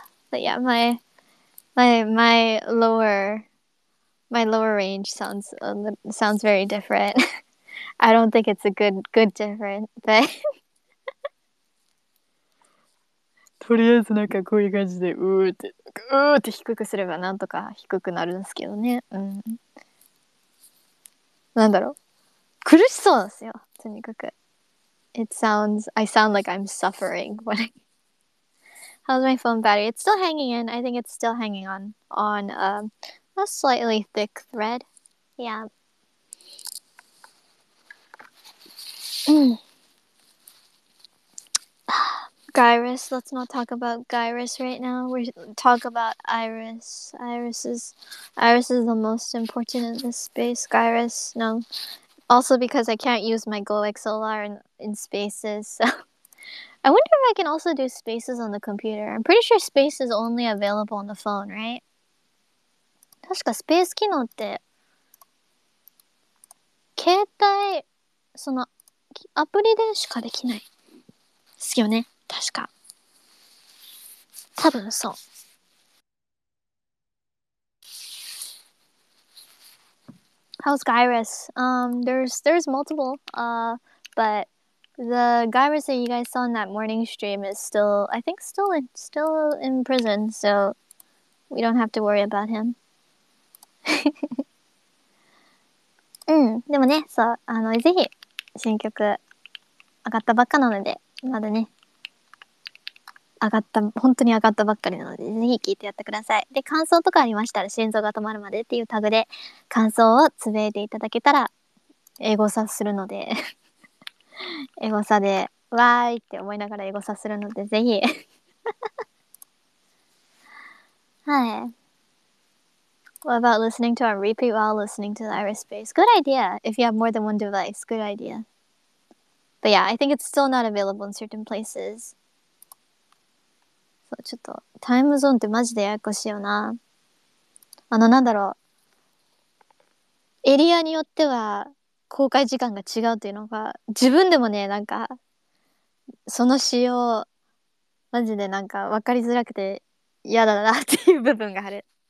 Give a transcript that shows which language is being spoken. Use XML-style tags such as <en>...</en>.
<en>But yeah, my lower range sounds very different. I don't think it's a good different, but</en> <ja>とりあえずなんかこういう感じでうーって低くすればなんとか低くなるんですけどね。うん。なんだろう。苦しそうですよ。とにかく。</ja> <en>It sounds, I sound like I'm suffering when I... How's my phone battery? It's still hanging in. I think it's still hanging on a slightly thick thread. Yeah. Gyrus, let's not talk about Gyrus right now. We talk about Iris. Iris is the most important in this space. Gyrus, no. Also because I can't use my GoXLR in spaces. So. I wonder if I can also do spaces on the computer. I'm pretty sure space is only available on the phone, right?</en> <ja>確かスペース機能って携帯そのアプリでしかできないですよね。確か。多分そう。</ja> <en>How's Gyrus? There's multiple, but the Gyrus that you guys saw in that morning stream is still, I think, still in prison, so we don't have to worry about him.</en> <ja>うん、でもね、そう、あの、ぜひ、新曲、上がったばっかなので、まだね、上がった、本当に上がったばっかりなので、ぜひ聴いてやってください。で、感想とかありましたら、心臓が止まるまでっていうタグで、感想をつぶえていただけたら、エゴサするので、エゴサで、わーいって思いながらエゴサするので、ぜひ。はい。</ja> <en>What about listening to a repeat while listening to the Iris bass? Good idea. If you have more than one device, good idea. But yeah, I think it's still not available in certain places.</en> <ja>そう、ちょっとタイムゾーンってマジでややこしいよな。あの、なんだろう。エリアによっては公開時間が違うというのが、自分でもね、なんか、その仕様、マジでなんか分かりづらくて嫌だなっていう部分がある。</ja>